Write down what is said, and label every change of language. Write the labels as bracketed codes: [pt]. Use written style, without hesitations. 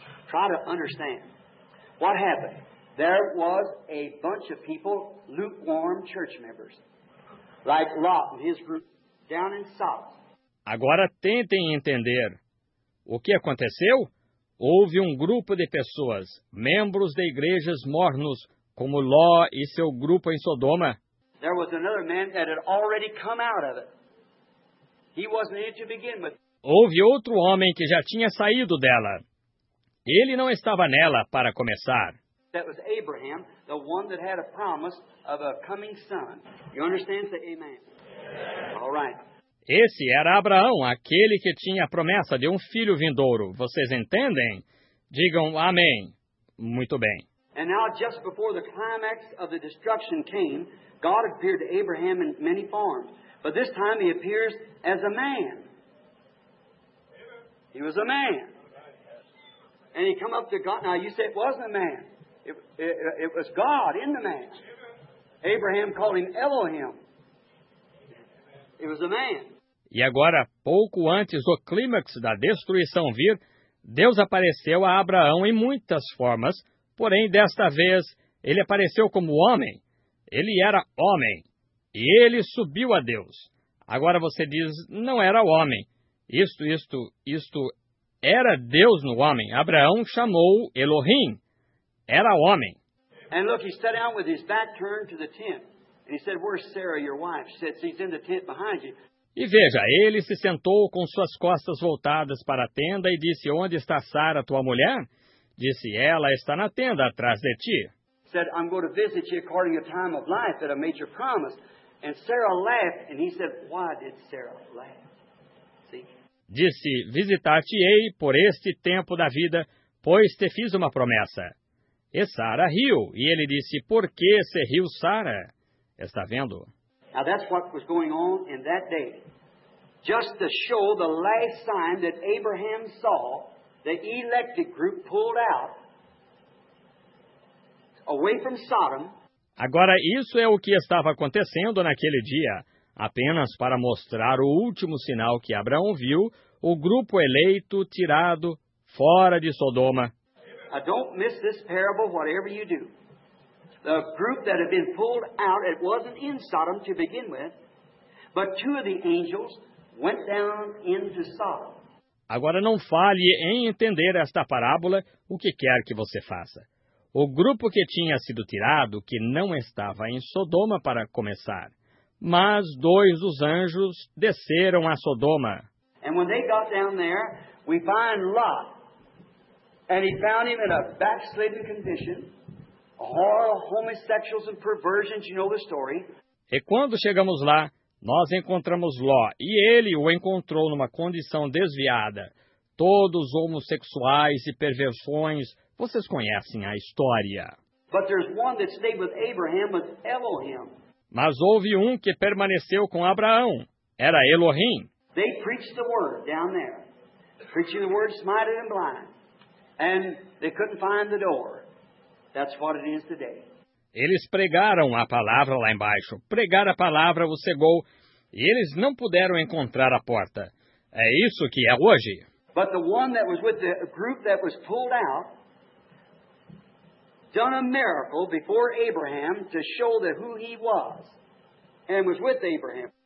[en] Try to understand what happened. There was a bunch of people, lukewarm church members, like Lot and his group, down in Sodom. [pt] Agora tentem entender o que aconteceu. Houve um grupo de pessoas, membros de igrejas mornos, como Ló e seu grupo em Sodoma. [en] There was another man that had already come out of it. He wasn't in it to begin with. [pt] Houve outro homem que já tinha saído dela. Ele não estava nela para começar. [en] That was Abraham, the one that had a promise of a coming son. You understand? Say amen. All right. [pt] Esse era Abraão, aquele que tinha a promessa de um filho vindouro. Vocês entendem? Digam amém. Muito bem. [en] And now, just before the climax of the destruction came, God appeared to Abraham in many forms. But this time he appears as a man. He was a man. And he come up to God. Now you say it wasn't a man. It was God in the man. Abraham called him Elohim. It was a man. [pt] E agora, pouco antes do clímax da destruição vir, Deus apareceu a Abraão em muitas formas, porém desta vez ele apareceu como homem. Ele era homem. E ele subiu a Deus. Agora você diz, não era homem. Isto era Deus no homem. Abraão chamou Elohim. Era homem. [en] And look, he sat down with his back turned to the tent. And he said, where's Sarah, your wife? She said, she's in the tent behind you. [pt] E veja, ele se sentou com suas costas voltadas para a tenda e disse, onde está Sara, tua mulher? Disse, ela está na tenda atrás de ti. [en] He said, I'm going to visit you according to the time of life that I made your promise. And Sarah laughed. And he said, why did Sarah laugh? See? [pt] Disse, visitar-te-ei por este tempo da vida, pois te fiz uma promessa. E Sara riu, e ele disse, por que se riu Sara? Está vendo? [en] Now that's what was going on in that day. just to show the last sign that Abraham saw, the elected group pulled out, away from Sodom. [pt] Agora, isso é o que estava acontecendo naquele dia. Apenas para mostrar o último sinal que Abraão viu, o grupo eleito tirado fora de Sodoma. [en] I don't miss this parable, whatever you do. The group that had been pulled out, it wasn't in Sodom to begin with, but two of the angels went down into Sodom. [pt] Agora não fale em entender esta parábola o que quer que você faça. O grupo que tinha sido tirado, que não estava em Sodoma para começar, mas dois dos anjos desceram a Sodoma. [en] And when they got down there, we find Lot, and he found him in a backslidden condition. All homosexuals and perversions, you know the story. [pt] E quando chegamos lá, nós encontramos Ló, e ele o encontrou numa condição desviada. Todos homossexuais e perversões, vocês conhecem a história. [en] But there's one that stayed with Abraham, with Elohim. [pt] Mas houve um que permaneceu com Abraão, era Elohim. [en] They preached the word down there. Preaching the word, smited and blind. And they couldn't find the door. That's what it is today. [pt] Eles pregaram a palavra lá embaixo. Pregar a palavra o cegou. E eles não puderam encontrar a porta. É isso que é hoje. [en] But the one that was with the group that was pulled out, done a miracle before Abraham to show that who he was, and was with Abraham.